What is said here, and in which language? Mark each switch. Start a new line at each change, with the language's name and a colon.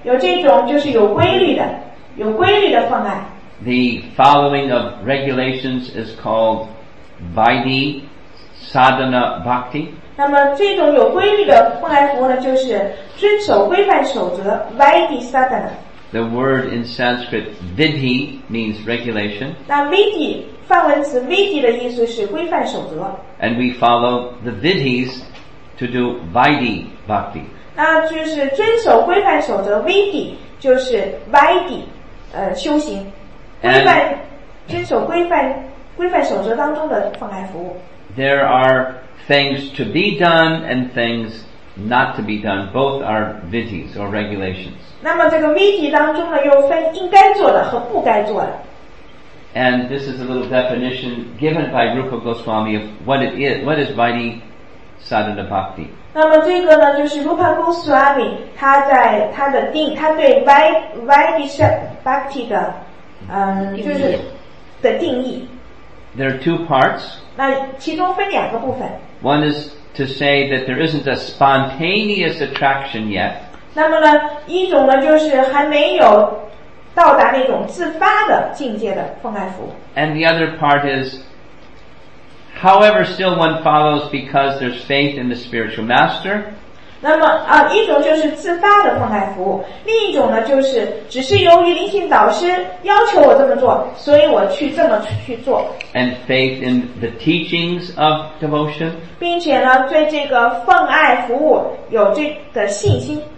Chinese: 有这种就是有规律的奉爱。
English: The following of regulations is called Vaidhi Sadhana Bhakti.
Chinese: 那么这种有规律的奉爱服务呢，就是遵守规范守则 Vaidhi Sadhana。
English: The word in Sanskrit vidhi means regulation.
Chinese: 那 vidhi 梵文词 vidhi 的意思是规范守则。
English: And we follow the vidhis to do vaidhi bhakti.
Chinese: 那就是遵守规范守则 vidhi 就是 vaidhi 修行规范
English: And,
Chinese: 遵守规范守则当中的奉爱服务。
English: There are things to be done and things not to be done. Both are vidhis or regulations.
Chinese: 那么这个 vidhi 当中呢，又分应该做的和不该做的。
English: And this is a little definition given by Rupa Goswami of what it is. What is vidhi sadhana bhakti?
Chinese: 那么这个呢，就是 Rupa Goswami 他在他的定，他对 vidhi sadhana bhakti 的，就是的定义。
English: There are two parts.
Chinese: 那其中分两个部分。
English: One is to say that there isn't a spontaneous attraction yet.
Chinese: 那么呢，一种呢就是还没有到达那种自发的境界的奉爱服务。
English: And the other part is, however, still one follows because there's faith in the spiritual master.
Chinese: 那么一种就是自发的奉爱服务，另一种呢就是只是由于灵性导师要求我这么做，所以我去这么去做。
English: And faith in the teachings of devotion.
Chinese: 并且呢，对这个奉爱服务有这个信心。